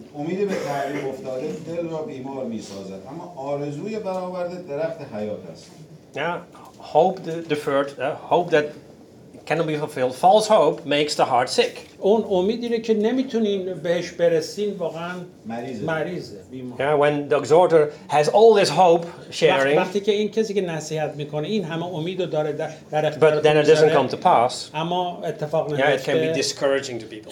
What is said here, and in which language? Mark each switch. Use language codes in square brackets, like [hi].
[fa] امید به تعریف افتاده دل را بیمار می‌سازد، اما آرزوی برآورده درخت حیات است. [en] Yeah, hope deferred, hope that cannot be fulfilled. False hope makes the heart sick. [fa] اون امیدی که نمیتونین بهش برسین واقعا مریضه. [en] Yeah, when the exhorter has all this hope sharing. [fa] وقتی که این کسی که نصیحت میکنه این همه امیدو داره در اختیار. [en] But then it doesn't come to pass. [fa] اما اتفاق نمیفته. [en] Yeah, it can be discouraging to people.